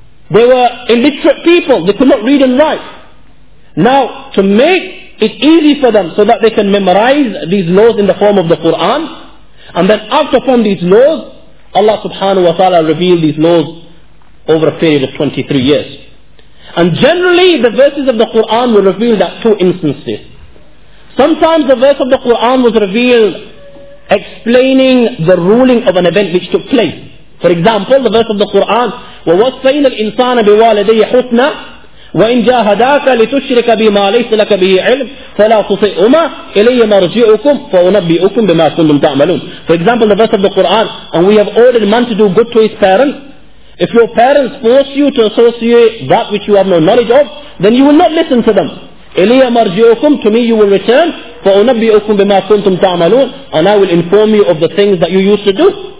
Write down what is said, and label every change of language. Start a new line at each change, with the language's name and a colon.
English: They were illiterate people. They could not read and write. Now, to make it easy for them so that they can memorize these laws in the form of the Quran, and then act upon these laws, Allah subhanahu wa ta'ala revealed these laws over a period of 23 years. And generally, the verses of the Qur'an were revealed at two instances. Sometimes the verse of the Qur'an was revealed explaining the ruling of an event which took place.
Arabic: For example, the verse of the Qur'an, وَوَصَّيْنَا الْإِنسَانَ بِوَالَدَيَّ حُسْنًا وَإِنْ جَاهَدَاكَ لِتُشْرِكَ بِمَا لَيْسَ لَكَ بِهِ عِلْمٍ فَلَا تُطِئُهُمَا إِلَيَّ مَرْجِعُكُمْ فَأُنَبِّئُكُمْ بِمَا كُنْتُمْ تَعْمَلُونَ.
English: For example, the verse of the Qur'an, and we have ordered man to do good to his parents. If your parents force you to associate that which you have no knowledge of, then you will not listen to them.
Arabic: إِلَيَّ مَرْجِعُكُمْ,
English: to me you will return.
Arabic: فَأُنَبِّئُكُمْ بِمَا كُنْتُمْ تَعْمَلُونَ,
English: and I will inform you of the things that you used to do.